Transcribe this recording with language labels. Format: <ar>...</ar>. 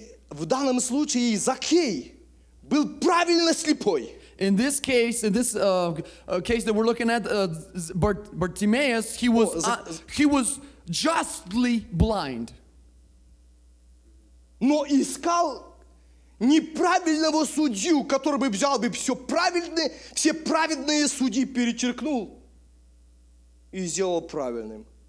<ru>В данном случае Закхей был правильно слепой.</ru> <en>In this case, case that we're looking at, Bartimaeus, he was justly blind.</en> <ru>Но искал неправильного судью, который бы взял бы все праведные судьи перечеркнул и сделал правильным.</ru>